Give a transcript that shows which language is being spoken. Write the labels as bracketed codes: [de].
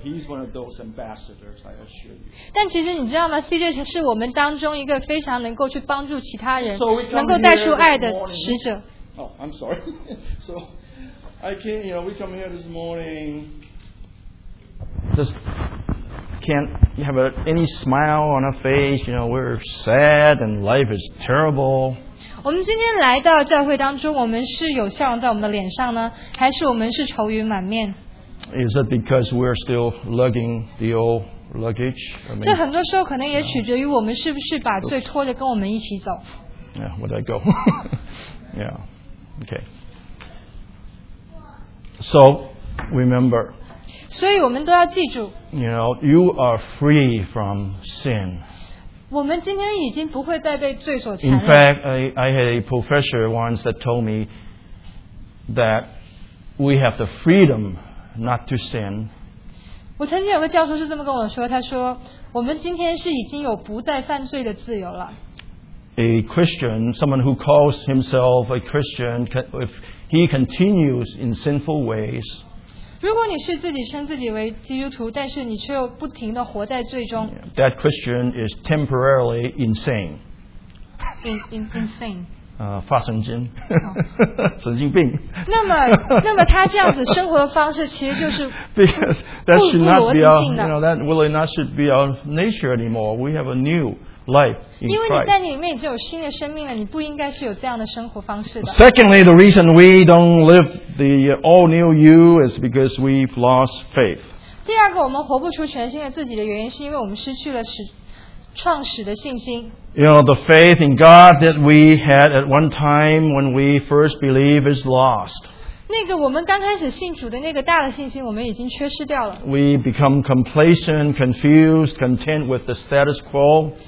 [en] He's one of those ambassadors, I assure you. [zh] 但其实你知道吗 ？CJ 是我们当中一个非常能够去帮助其他人、能够带出爱的使者。 [en] Oh, I'm sorry. So I came, you know, we come here this morning. Just can't have any smile on her face. You know, we're sad and life is terrible. [zh] 我们今天来到教会当中，我们是有笑容在我们的脸上呢，还是我们是愁云满面？ [en] Is it because we're still lugging the old luggage? I mean, [zh] 这很多时候可能也取决于我们是不是把罪拖着跟我们一起走。 [en] Yeah, where did I go? Yeah, okay. So remember. [zh] 所以我们都要记住。 [en] You know, you are free from sin. [zh] 我们今天已经不会再被罪所缠绕。 [en] In fact, I had a professor once that told me that we have the freedom not to sin. [zh] 我曾经有个教授是这么跟我说，他说我们今天是已经有不再犯罪的自由了。 [en] A Christian, someone who calls himself a Christian, if he continues in sinful ways, [zh] 如果你是自己称自己为基督徒，但是你却又不停地活在罪中。 [en] That Christian is temporarily insane. Insane. [zh] 发神经。神经病。那么他这样子生活的方式其实就是不逻辑性的。 [en] That should not be our, you know, that really not should be our nature anymore. We have a new life in Christ. [zh] 因为你在里面已经有新的生命了，你不应该是有这样的生活方式的。 [en] Secondly, the reason we don't live the all new you is because we've lost faith. [zh] 第二个，我们活不出全新的自己的原因，是因为我们失去了创始的信心。 [en] You know, the faith in God that we had at one time when we first believe is lost. [zh] 那个我们刚开始信主的那个大的信心，我们已经缺失掉了。 [en] We become complacent, confused, content with the status quo.